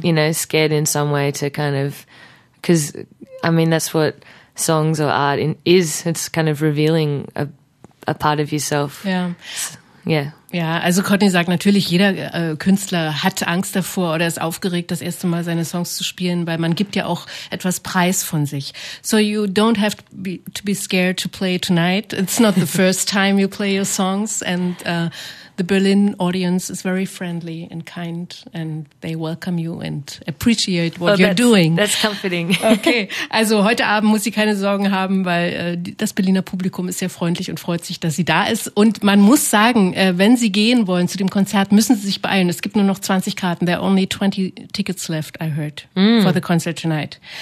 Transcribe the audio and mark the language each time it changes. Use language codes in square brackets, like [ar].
[en] you know, scared in some way to kind of, because, I mean, that's what songs or art is. It's kind of revealing a part of yourself. Yeah. [de] Ja, also Courtney sagt natürlich, jeder Künstler hat Angst davor oder ist aufgeregt, das erste Mal seine Songs zu spielen, weil man gibt ja auch etwas Preis von sich. [en] So you don't have to be scared to play tonight. It's not the first time you play your songs and the Berlin audience is very friendly and kind and they welcome you and appreciate what you're doing. That's comforting. [de] Okay, also heute Abend muss sie keine Sorgen haben, weil das Berliner Publikum ist sehr freundlich und freut sich, dass sie da ist. Und man muss sagen, wenn Sie gehen wollen zu dem Konzert, müssen Sie sich beeilen. Es gibt nur noch 20 Karten. [en] There are only 20 tickets left, I heard, for the concert tonight.